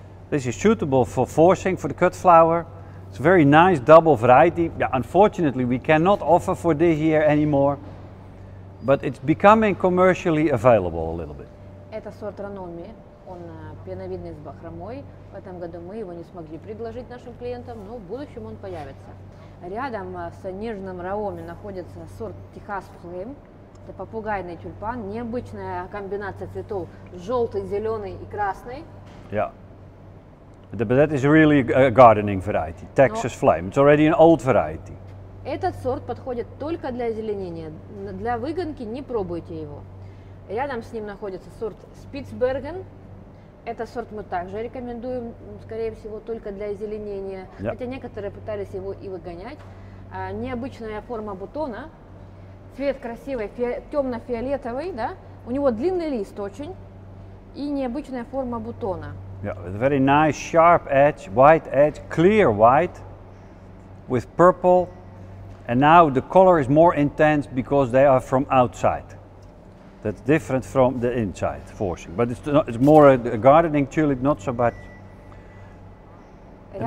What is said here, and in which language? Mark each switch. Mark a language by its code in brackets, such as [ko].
[en] This is suitable for forcing for the cut flower. It's a very nice double variety. Yeah, unfortunately, we cannot offer for this year anymore. But it's becoming commercially available a little bit. [ru] Это сорт Ранноми. Он пеновидный с бахромой. В этом году мы его не смогли предложить нашим клиентам, но в будущем он появится. Рядом с нежным Раоми находится сорт Техас Флейм. Это попугайный тюльпан. Необычная комбинация цветов. Желтый, зеленый и красный. [en] Yeah. But that is really a gardening variety, Texas Flame. It's already an old variety. [ru] Этот сорт подходит только для озеленения. Для выгонки не пробуйте его. Рядом с ним находится сорт Spitzbergen. Этот сорт мы также рекомендуем, скорее всего, только для озеленения. [en] Yep. [ru] Хотя некоторые пытались его и выгонять. Необычная форма бутона. Цвет красивый, темно-фиолетовый. Да? У него длинный лист очень. И необычная форма бутона. [en] Yeah, a very nice sharp edge, clear white with purple. And now the color is more intense because they are from outside. That's different from the inside forcing. But it's more a gardening tulip, not so much. Yeah.